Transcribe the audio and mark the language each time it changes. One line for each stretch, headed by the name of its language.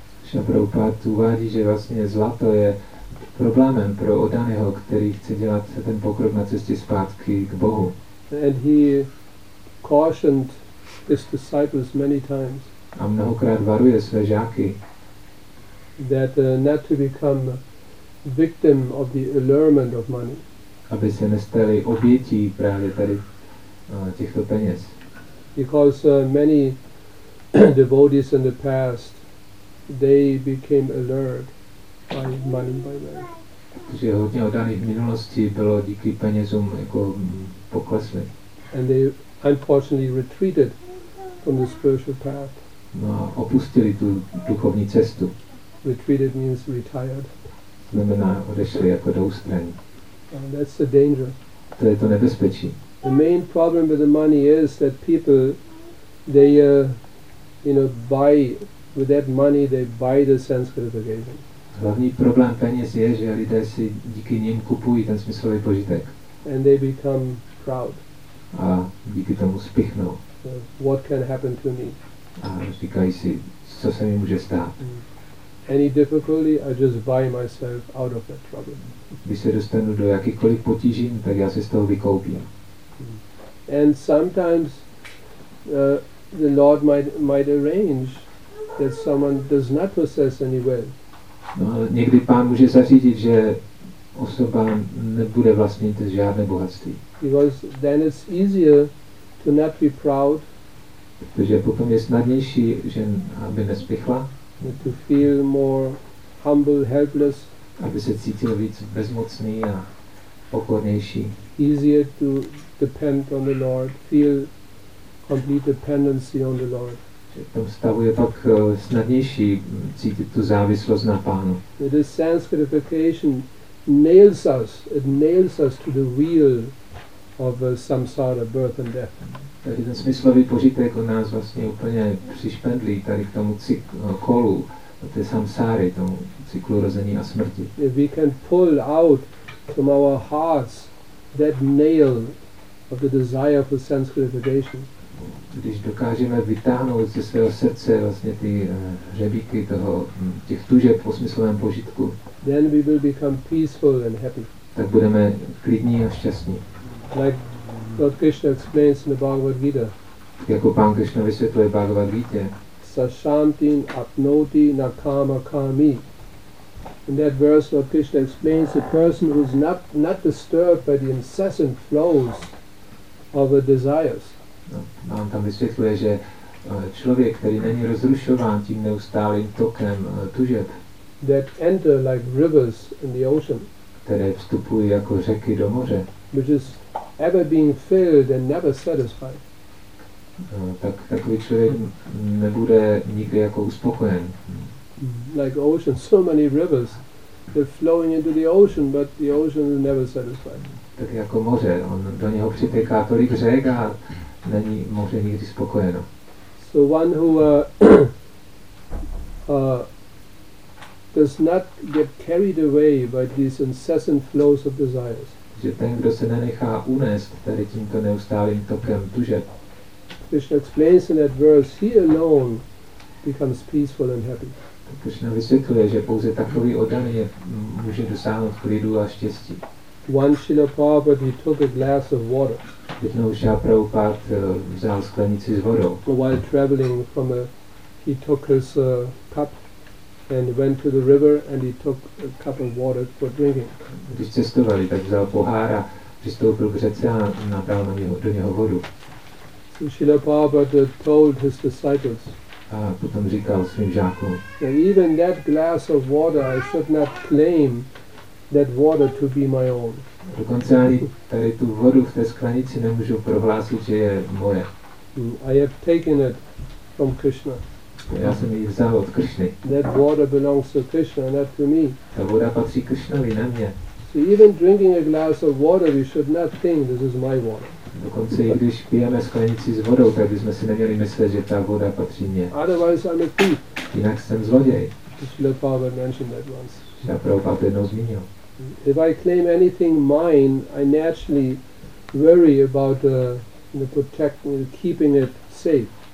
Czech: Srila Prabhupada uvádí, že vlastně zlato je problémem pro oddaného, který chce dělat ten pokrok na cestě zpátky k Bohu.
English: And he cautioned his disciples many times.
Czech: A mnohokrát varuje své žáky.
English: That not to become victim of the allurement of money.
Czech: Aby se nestali obětí právě tady těchto peněz.
English: Because many devotees in the past, they became allured by money, by wealth.
Czech: Protože hodně oddaných v minulosti bylo díky penězům jako pokleslé.
English: And they unfortunately retreated from the spiritual path.
Czech: opustili tu duchovní cestu.
English: Retreated means retired.
Czech: Znamená odešli jako do ústraní.
English: That's the danger.
Czech: To je to nebezpečí.
English: The main problem with the money is that people, they, you know, buy with that money, they buy the sense gratification.
Czech: Hlavní problém peněz je, že lidé si díky nim kupují ten smyslový požitek.
English: And they become proud.
Czech: A díky tomu spichnou.
English: So what can happen to me?
Czech: A říkají si, co se mi může stát.
English: Any difficulty, I just buy myself out of that problem.
Czech: Když se dostanu do jakýchkoliv potíží, tak já se z toho vykoupím.
English: And sometimes the Lord might arrange that someone does not possess any wealth.
Czech: No, někdy Pán může zařídit, že osoba nebude vlastnit žádné bohatství.
English: Because then it's easier to not be proud.
Czech: Protože potom je snadnější, že aby nespěchla.
English: To feel more humble, helpless.
Czech: Aby se cítil víc bezmocný a pokornější.
English: Easier to depend on the Lord, feel complete dependency on the Lord.
Czech: V tom stavu je pak snadnější cítit tu závislost na Pánu.
English: The sense gratification nails us. It nails us to the wheel of samsara, birth and death.
Czech: Takže ten smyslový požitek od nás vlastně úplně přišpendlí tady k tomu kolu, té samsáry, tomu cyklu rození a smrti.
English: If we can pull out from our hearts that nail of the desire for sense gratification.
Czech: Když dokážeme vytáhnout ze svého srdce vlastně ty hřebíky toho, těch tužeb po smyslovém požitku,
English: then we will become peaceful and happy.
Czech: Tak budeme klidní a šťastní.
English: Like Lord Krishna explains in the Bhagavad Gita.
Czech: Jako Pán Krishna vysvětluje Bhagavad Gita.
Sanskrit: Sa shantin apnoti na kama kami.
English: In that verse Lord Krishna explains a person who is not disturbed by the incessant flows of the desires.
Czech: No, on tam vysvětluje, že člověk, který není rozrušován tím neustálým tokem tužeb,
English: that enter like rivers in the ocean,
Czech: které vstupují jako řeky do moře,
English: which is ever being filled and never satisfied,
Czech: tak takový člověk nebude nikdy jako uspokojen.
English: Like ocean, so many rivers, they're flowing into the ocean, but the ocean is never satisfied.
Czech: Tak jako moře, on do něho přitéká tolik řek a není moře nikdy spokojeno.
English: So one who does not get carried away by these incessant flows of desires.
Czech: Že ten, kdo se nenechá unést tady tímto neustálým tokem tužeb.
English: Krishna explains in that verse, he alone becomes peaceful and happy.
Czech: Krishna vysvětluje, že pouze takový oddaný může dosáhnout klidu a štěstí.
English: One Srila Prabhupada, he took a glass of water.
Czech: Jednou Srila Prabhupada vzal sklenici s vodou.
English: So while traveling from he took his cup and went to the river and he took a cup of water for drinking.
Czech: Když cestovali, tak vzal pohár a přistoupil k řece a nabral do něho vodu.
English: So Srila Prabhupada told his disciples,
Czech: a potom říkal svým žákům,
English: that even that glass of water I should not claim that water to be my own.
Czech: Dokonce ani tady tu vodu v té sklenici nemůžu prohlásit, že je moje.
English: I have taken it from Krishna.
Czech: Já jsem ji vzal od Krishny.
English: That water belongs to Krishna, not to me.
Czech: Ta voda patří Krishnovi, ne mě.
English: So even drinking a glass of water, we should not think this is my water.
Czech: Dokonce i když pijeme sklenici s vodou, tak bychom si neměli myslet, že ta voda patří mě.
English: Otherwise I'm a thief.
Czech: Jinak jsem zloděj.
English: Srila Prabhupada mentioned that once.
Czech: Já Prabhupada jednou zmínil.
English: If I claim anything mine, I naturally worry about protecting, keeping it safe.